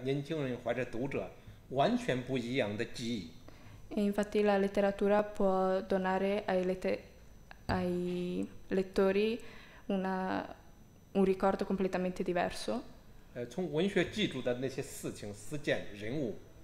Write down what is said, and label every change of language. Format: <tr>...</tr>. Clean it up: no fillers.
<zh>文学常常能给我们的年轻人或者读者完全不一样的记忆。</zh> <it>E infatti la letteratura può donare ai lettori un ricordo completamente diverso.</it> <zh>从文学记住的那些事情、事件、人物。</zh>